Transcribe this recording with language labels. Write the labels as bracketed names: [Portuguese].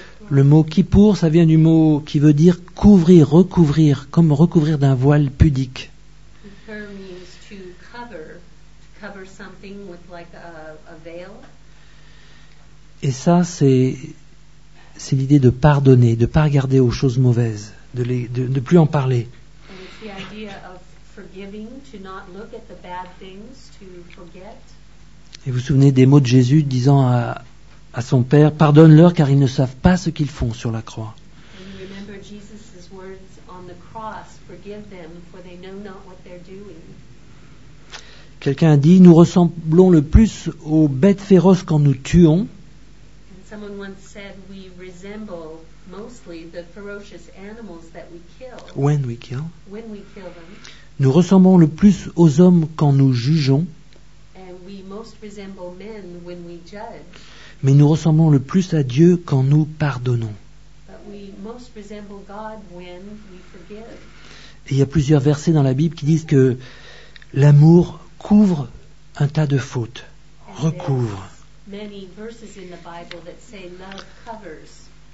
[French] Le mot Kippour, ça vient du mot qui veut dire couvrir, recouvrir, comme recouvrir d'un voile pudique. [English] Kippour means to cover something with like a veil. [French] Et ça, c'est l'idée de pardonner, de ne pas regarder aux choses mauvaises, de plus en parler. [English] The idea of forgiving, to not look at the bad things, to forget. [French] Et vous vous souvenez des mots de Jésus disant à son père, pardonne-leur car ils ne savent pas ce qu'ils font sur la croix. [English] And you remember Jesus' words on the cross, forgive them for they know not what they're doing. [French] Quelqu'un a dit, nous ressemblons le plus aux bêtes féroces quand nous tuons. [English] And someone once said, we resemble mostly the ferocious animals that we kill. When we kill them. [French] Nous ressemblons le plus aux hommes quand nous jugeons. [English] And we most resemble men when we judge. [French] Mais nous ressemblons le plus à Dieu quand nous pardonnons. [English] But we most resemble God when we forgive. [French] Et il y a plusieurs versets dans la Bible qui disent que l'amour couvre un tas de fautes, recouvre. [English] And there's many verses in the Bible that say love covers.